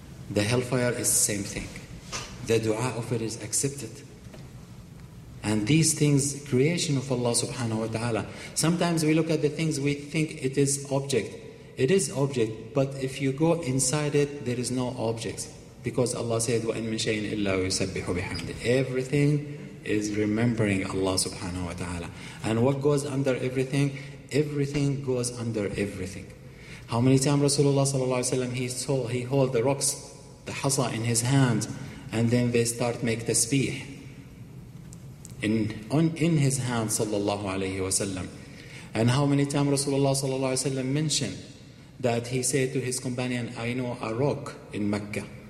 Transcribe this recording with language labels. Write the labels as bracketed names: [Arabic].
[English] The Hellfire is the same thing. The dua of it is accepted. And these things, creation of Allah subhanahu wa ta'ala. Sometimes we look at the things, we think it is object. It is object, but if you go inside it, there is no object. Because Allah said, [Arabic] وَإِن مِن شَيْءٍ إِلَّا يُسَبِّحُ بِحَمْدِهِ. [English] Everything is remembering Allah subhanahu wa ta'ala. And what goes under everything? Everything goes under everything. How many times Rasulullah sallallahu alayhi wa sallam, he hold the rocks, the hasa in his hand, and then they start make tasbih. In his hand, sallallahu alayhi wa sallam. And how many times Rasulullah sallallahu alayhi wa sallam mentioned that he said to his companion, I know a rock in Mecca.